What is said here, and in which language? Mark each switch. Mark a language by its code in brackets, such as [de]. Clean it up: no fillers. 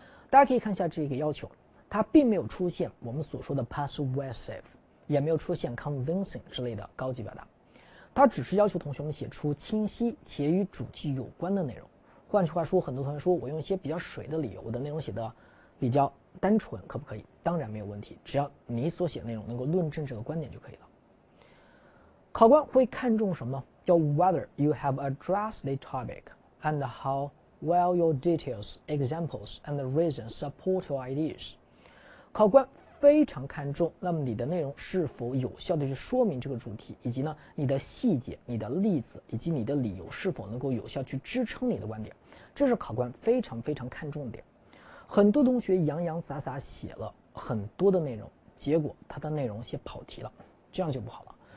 [zh] 大家可以看一下这个要求，它并没有出现我们所说的 persuasive， 也没有出现 convincing 之类的高级表达，它只是要求同学们写出清晰且与主题有关的内容。换句话说，很多同学说我用一些比较水的理由，我的内容写的比较单纯可不可以？当然没有问题，只要你所写的内容能够论证这个观点就可以了。考官会看重什么？叫 [en] whether you have addressed the topic and how well your details, examples, and reasons support your ideas。 [zh] 考官非常看重那么你的内容是否有效地去说明这个主题，以及呢你的细节、你的例子以及你的理由是否能够有效去支撑你的观点，这是考官非常非常看重的点。很多同学洋洋洒洒写了很多的内容，结果他的内容写跑题了，这样就不好了。